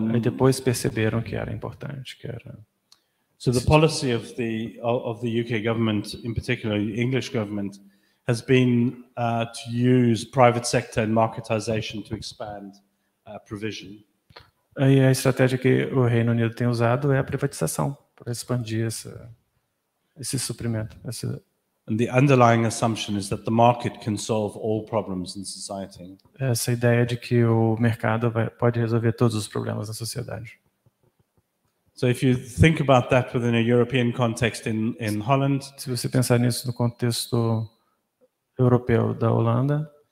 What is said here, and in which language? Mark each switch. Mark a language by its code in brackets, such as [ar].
[pt] E depois perceberam que era importante, que era. [en] So the policy of the UK government, in particular the English government, has been to use private sector and marketization to expand provision. [pt] E a estratégia que o Reino Unido tem usado é a privatização para expandir esse suprimento. [en] And the underlying assumption is that the market can solve all problems in society. [pt] Essa ideia de que o mercado pode resolver todos os problemas da sociedade. [en] So if you think about that within a European context in Holland, [pt] se você pensar nisso no contexto europeu da Holanda,